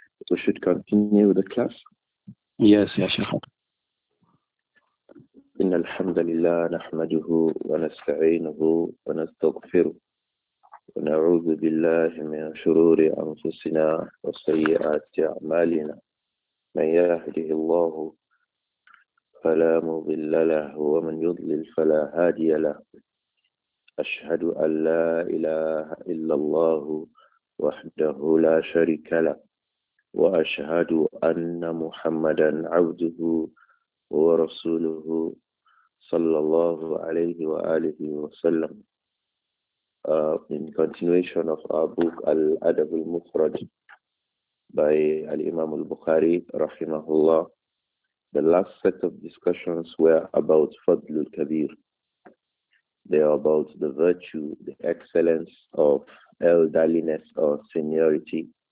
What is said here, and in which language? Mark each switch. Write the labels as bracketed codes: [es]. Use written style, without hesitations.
[en] We should continue with the class. Yes, يا شيخ. [ar] إن الحمد لله نحمده ونستعينه ونستغفره ونعوذ بالله من شرور أنفسنا وسيئات أعمالنا. من يهده الله فلا مضل له ومن يضلل فلا هادي له. أشهد أن لا إله إلا الله وحده لا شريك له، وأشهد أن محمدا عبده ورسوله صلى الله عليه وآله وسلم. [en] In continuation of our book Al-Adab al-Mufrad by Al-Imam al-Bukhari rahimahullah, the last set of discussions were about Fadl al-Kabir. They are about the virtue, the excellence of elderliness or seniority.